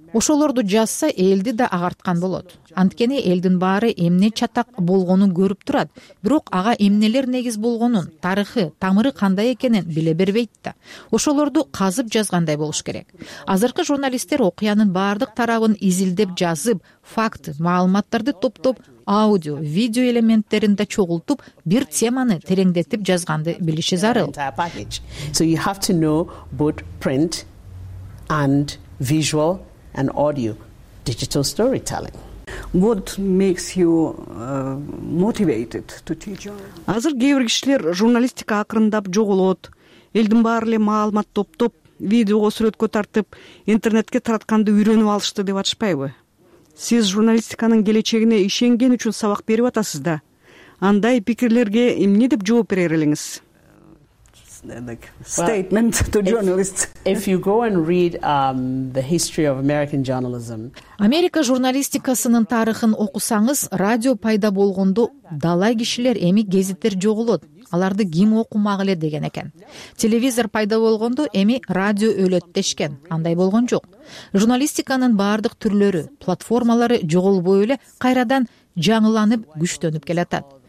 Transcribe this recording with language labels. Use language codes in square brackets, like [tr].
[ky] Ошолорду жазса, элди да агарткан болот. Анткени элдин баары эмне чатак болгонун көрүп турат, бирок ага эмнелер негиз болгонун, тарыхы, тамыры кандай экенин биле бербейт да. Ошолорду казып жазгандай болуш керек. Азыркы журналисттер окуянын бардык тарабын изилдеп жазып, факт, маалыматтарды топтоп, аудио, видео элементтерин да чогултуп, бир теманы тереңдетип жазганды билиши зарыл. [en] So you have to know both print and visual and audio digital storytelling. What makes you motivated to teach? [ky] Азыр кээ бир кишилер журналистика акырындап жоголот. Элдин баары эле маалымат топтоп, видеого сүрөткө тартып, интернетке таратканды үйрөнүп алышты деп атышпайбы? Сиз журналистиканын келечегине ишенген үчүн сабак берип атасыз да. Андай пикирлерге эмне деп жооп берер элеңиз? [en] Statement to journalists. If you go and read the history of American journalism, [ky] Америка журналистикасынын тарыхын окусаңыз, радио пайда болгондо далай кишилер эми гезиттер жоголот. Аларды ким окумак эле деген экен. Телевизор пайда болгондо эми радио өлөт дешкен. Андай болгон жок. Журналистиканын баардык түрлөрү, платформалары жоголбой эле кайрадан жаңыланып, күчтөнүп келатат.